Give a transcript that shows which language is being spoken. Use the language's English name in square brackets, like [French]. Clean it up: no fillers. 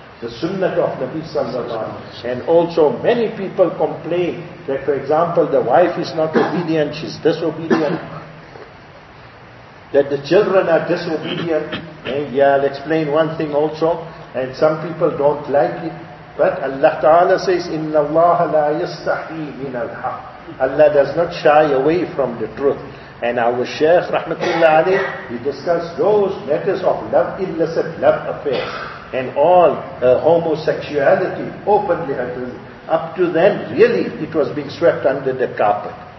[English] The sunnah of Nabi sallallahu alayhi wa sallam. And also many people complain that, for example, the wife is not obedient, she's disobedient. That the children are disobedient. And yeah, I'll explain one thing also. And some people don't like it. But Allah Ta'ala says, [Arabic] إِنَّ اللَّهَ لَا يَسْتَحِي مِنَ الْحَقِّ. [English] Allah does not shy away from the truth. And our Shaykh rahmatullah alayh, he discussed those matters of love, illicit love affairs, and all homosexuality openly. Up to then, really, it was being swept under the carpet.